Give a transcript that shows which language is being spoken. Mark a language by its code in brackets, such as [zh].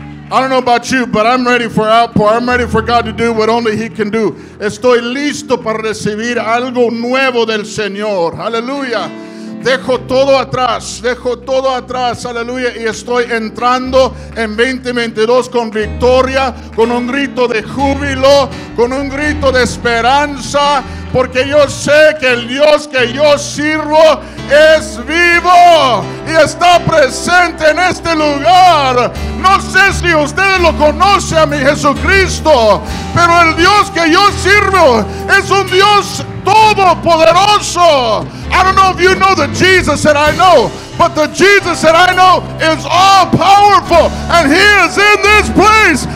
[en] I don't know about you, but I'm ready for outpour. I'm ready for God to do what only He can do. [es] Estoy listo para recibir algo nuevo del Señor. Aleluya. Dejo todo atrás. Dejo todo atrás. Aleluya. Y estoy entrando en 2022 con victoria, con un grito de júbilo, con un grito de esperanza. Porque yo sé que el Dios que yo sirvo es vivo y está presente en este lugar. No sé si ustedes lo conocen a mi Jesucristo, pero el Dios que yo sirvo es un Dios todopoderoso. [en] I don't know if you know the Jesus that I know, but the Jesus that I know is all powerful and He is in this place.